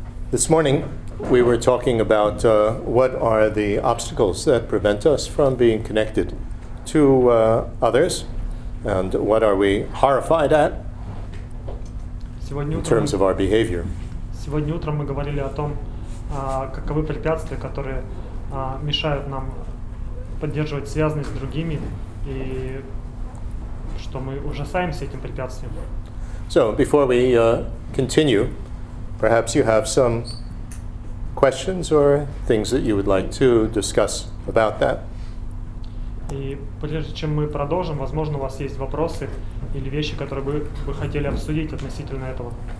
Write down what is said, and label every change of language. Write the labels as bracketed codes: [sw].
[en] This morning, we were talking about what are the obstacles that prevent us from being connected to others, and what are we horrified at in terms of our behavior. [ru] Сегодня утром мы говорили о том, каковы препятствия, которые мешают нам поддерживать связанность с другими, и что мы ужасаемся этим препятствием. [en] So, before we continue, perhaps you have some questions or things that you would like to discuss about that. [ru] И прежде чем мы продолжим, возможно, у вас есть вопросы или вещи, которые вы хотели обсудить относительно этого.